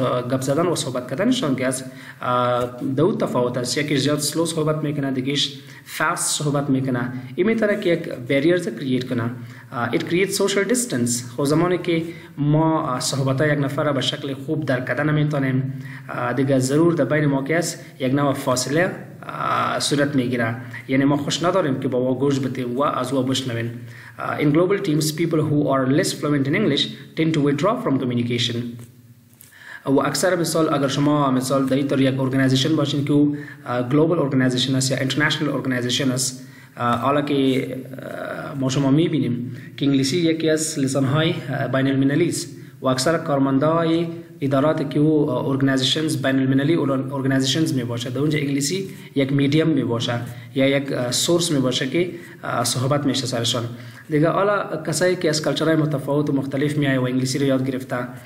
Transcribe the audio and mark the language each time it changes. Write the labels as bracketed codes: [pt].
[fa] گپ زدن و صحبت کردنشان که است دو تفاوت است یکی زیاد سلو صحبت میکنه دیگهش فاست صحبت میکنه این میتونه که یک بریر کریئیت کنه [en] It creates social distance. [fa] خو زمانی که ما صحبت یک نفر را به شکل خوب در کدن میتونیم دیگه ضرور در بین ما که است یک نوع فاصله صورت میگیره. یعنی ما خوش نداریم که با ما گوش بتیم و از او بشنویم. [en] In global teams, people who are less fluent in English tend to withdraw from communication. [fa] و اکثر مثال اگر شما مثال در ایتر یک ارگنیزیشن باشین که او global organization است یا international organization است حالا که ما شما میبینیم که انگلیسی یکی از لسانهای بین المللی است و اکثر کارمندهای ادارات که او ارگنیزیشنز بین المللی ارگنیزیشنز میباشه در اونجا انگلیسی یک میدیم میباشه یا یک سورس میباشه که صحبت میشه سرشان دیگه حالا کسایی که از کلچرهای متفاوت و مختلف میایه و انگلیسی رو یاد گرفته